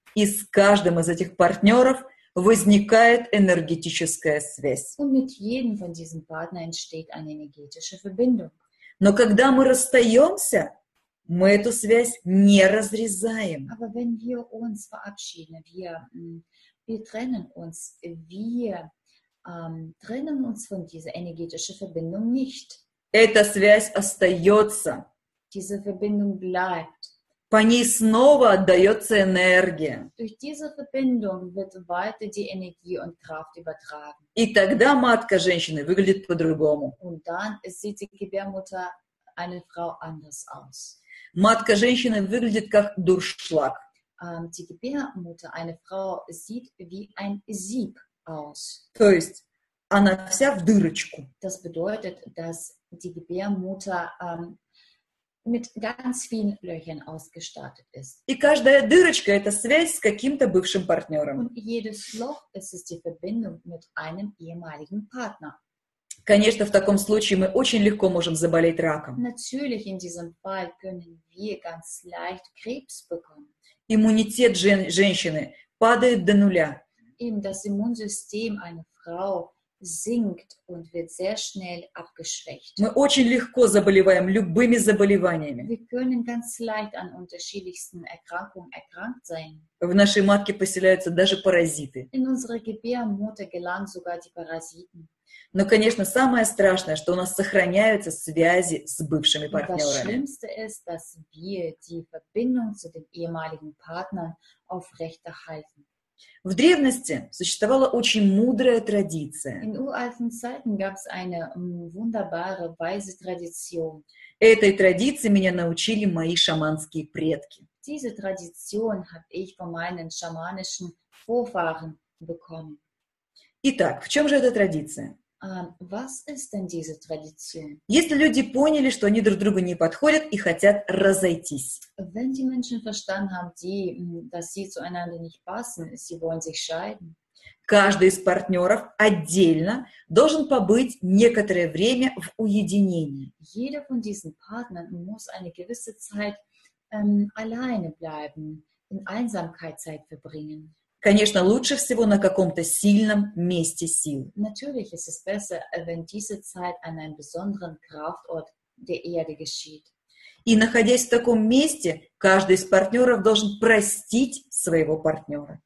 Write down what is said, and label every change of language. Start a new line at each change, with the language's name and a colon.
Russian: И с каждым из этих партнеров возникает энергетическая связь.
German: Und mit jedem von diesen Partnern entsteht eine energetische Verbindung.
Russian: Но когда мы расстаемся, мы эту связь не разрезаем.
German: Aber wenn wir uns verabschieden, wir trennen uns, trennen uns von dieser energetischen Verbindung nicht.
Russian: Эта связь остается.
German: Diese Verbindung bleibt.
Russian: По ней снова отдается энергия.
German: Durch diese Verbindung wird weiter die Energie und Kraft übertragen.
Russian: И тогда матка женщины выглядит по-другому.
German: Und dann sieht die Gebärmutter eine Frau anders aus.
Russian: Матка женщины выглядит как дуршлаг.
German: Die Gebärmutter eine Frau sieht wie ein Sieb aus.
Russian: То есть она вся в дырочку.
German: Das bedeutet, dass die Gebärmutter mit ganz vielen Löchern ausgestattet ist.
Russian: И каждая дырочка – это связь с каким-то бывшим партнером.
German: Und jedes Loch ist es die Verbindung mit einem ehemaligen Partner.
Russian: Конечно, в таком случае мы очень легко можем заболеть раком.
German: Natürlich in diesem Fall können wir ganz leicht Krebs bekommen.
Russian: Иммунитет женщины падает до нуля.
German: Eben das Immunsystem einer Frau sinkt und wird sehr schnell abgeschwächt.
Russian: Мы очень легко заболеваем любыми заболеваниями.
German: Wir können ganz leicht an unterschiedlichsten Erkrankungen erkrankt sein.
Russian: В нашей матке поселяются даже паразиты.
German: In unserer Gebärmutter gelangen sogar die Parasiten.
Russian: Но, конечно, самое страшное, что у нас сохраняются связи с бывшими партнерами.
German: Das Schlimmste ist, dass wir die Verbindung zu den ehemaligen Partnern aufrechterhalten.
Russian: В древности существовала очень мудрая традиция.
German: In uralten Zeiten gab es eine wunderbare, weise Tradition.
Russian: Этой традиции меня научили мои шаманские предки.
German: Diese Tradition habe ich von meinen schamanischen Vorfahren bekommen.
Russian: Итак, в чем же эта традиция?
German: Was ist denn diese Tradition?
Russian: Если люди поняли, что они друг другу не подходят и хотят разойтись.
German: Wenn die Menschen verstanden haben, dass sie zueinander nicht passen, sie wollen sich scheiden.
Russian: Каждый из партнеров отдельно должен побыть некоторое время в уединении.
German: Jeder von diesen Partnern muss eine gewisse Zeit alleine bleiben, in Einsamkeit Zeit verbringen.
Russian: Конечно, лучше всего на каком-то сильном месте сил.
German: Natürlich ist es besser, wenn diese Zeit an einem besonderen Kraftort der Erde geschieht.
Russian: И находясь в таком месте, каждый из партнеров должен простить своего партнера.